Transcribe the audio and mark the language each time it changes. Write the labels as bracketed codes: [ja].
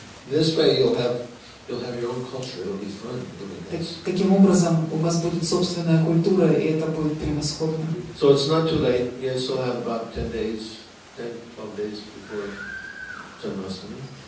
[en] This way you'll have your own culture. It'll be fun doing this. [ru] Таким образом, у вас будет собственная культура, и это будет превосходно. [en] So it's not too late. You still have about 10 days, 10, 12 days before Janmashtami.